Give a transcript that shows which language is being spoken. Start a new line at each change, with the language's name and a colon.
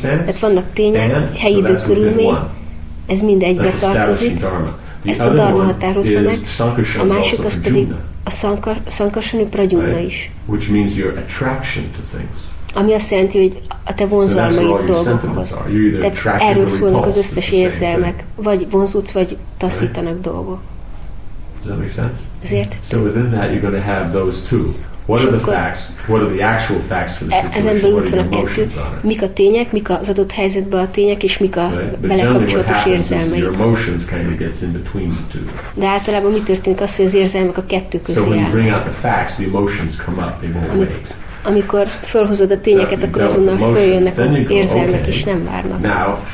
Hungarian: Tehát vannak tények, helyi időkörülmény, ez mind egybe tartozik, ezt a dharma határozza meg, a másik az pedig a Sankarsan Prajumna is.
English: Which means your attraction to things.
Hungarian: Ami azt jelenti, hogy a te vonzalmaid dolgokhoz. Tehát erről szólnak az összes érzelmek. Vagy vonzódsz, vagy taszítanak dolgok.
English: Does that make sense?
Hungarian: Ezért?
English: So within that you're going to have those two. What are the facts? What are the actual facts for the situation? What are the emotions on it?
Hungarian: Mik a tények, mik az adott helyzetben a tények, és mik a belekapcsolatos érzelmeid.
English: Your emotions kind of gets in between the two.
Hungarian: De általában mi történik az, hogy az érzelmek a kettő közé áll.
English: So when you bring out the facts, the emotions come up, they won't wait.
Hungarian: Amikor fölhozod a tényeket, akkor azonnal följönnek az érzelmek, és nem várnak.